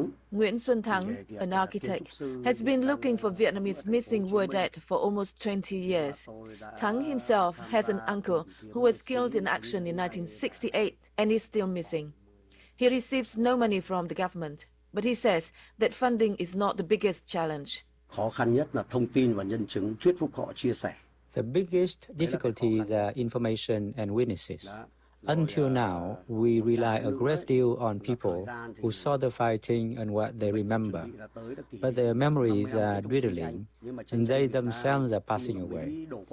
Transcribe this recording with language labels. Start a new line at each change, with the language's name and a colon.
English: Nguyễn Xuân Thắng, an architect, has been looking for Vietnamese missing war dead for almost 20 years. Thắng himself has an uncle who was killed in action in 1968 and is still missing. He receives no money from the government, but he says that funding is not the biggest challenge.
Vietnamese: Khó khăn nhất là thông tin và nhân chứng thuyết phục họ chia sẻ.
English: The biggest difficulty is information and witnesses. Until now, we rely a great deal on people who saw the fighting and what they remember. But their memories are dwindling, and they themselves are passing away.